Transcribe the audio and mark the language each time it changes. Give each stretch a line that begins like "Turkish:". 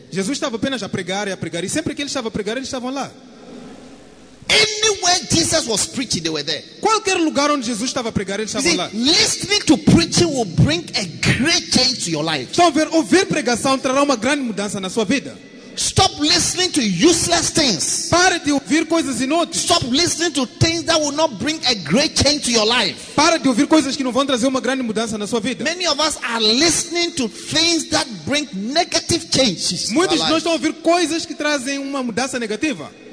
Portuguese: Jesus estava apenas a pregar e a pregar. E sempre que ele estava a pregar, eles estavam lá.
English: Any Anywhere Jesus was preaching, they were there.
Portuguese: Qualquer lugar onde Jesus estava a pregar, eles estavam lá.
English: Listening to preaching will bring a great change to your life.
Portuguese: Então, ouvir pregação trará uma grande mudança na sua vida.
English: Stop listening to useless things.
Portuguese: Pare de ouvir coisas inúteis.
English: Stop listening to things that will not bring a great change to your life.
Portuguese: Pare de ouvir coisas que não vão trazer uma grande mudança na sua vida.
English: Many of us are listening to things that bring negative changes.
Portuguese: Muitos de nós estão a ouvir coisas que trazem uma mudança negativa.